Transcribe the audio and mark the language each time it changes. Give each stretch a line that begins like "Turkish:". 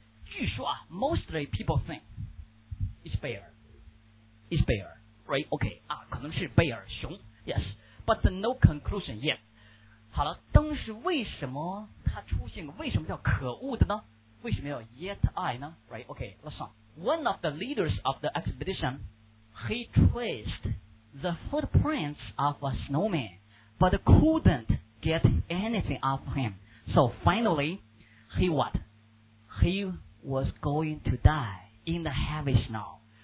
Chinese: 据说啊
English: ，mostly people think is bear， is bear， right？ OK， 啊，
Chinese: 可能是
English: bear 熊， yes， but no conclusion yet。
Chinese: 好了，当时为什么它出现？为什么叫可恶的呢？为什么要 yet I 呢？
English: Right? OK, listen. One of the leaders of the expedition, he traced the footprints of a snowman, but couldn't get anything off him. So finally, he what? He was going to die in the heavy snow.